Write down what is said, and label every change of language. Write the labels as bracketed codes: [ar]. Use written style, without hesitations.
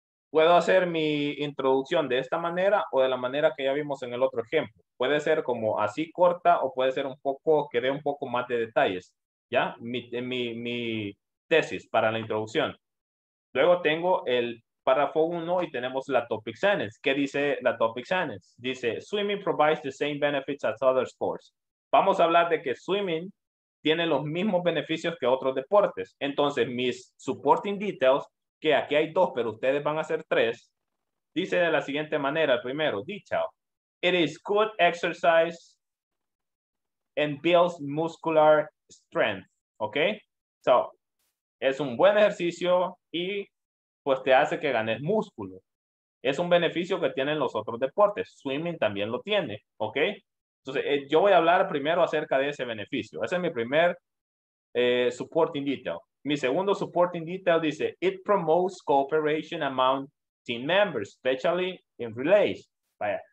[es] Puedo hacer mi introducción de esta manera o de la manera que ya vimos en el otro ejemplo. Puede ser como así corta o puede ser un poco, que dé un poco más de detalles, ¿ya? Mi tesis para la introducción. Luego tengo el párrafo 1 y tenemos la topic sentence. ¿Qué dice la topic sentence? [en] Dice, swimming provides the same benefits as other sports. [es] Vamos a hablar de que swimming tiene los mismos beneficios que otros deportes. Entonces, mis supporting details, que aquí hay dos, pero ustedes van a hacer tres, dice de la siguiente manera, el primero, detail. [en] It is good exercise and builds muscular strength. Okay? [es] So, es un buen ejercicio y pues te hace que ganes músculo. Es un beneficio que tienen los otros deportes. Swimming también lo tiene. Okay? Entonces, yo voy a hablar primero acerca de ese beneficio. Ese es mi primer supporting detail. Mi segundo supporting detail dice, [en] it promotes cooperation among team members, especially in relays. [es] Vaya.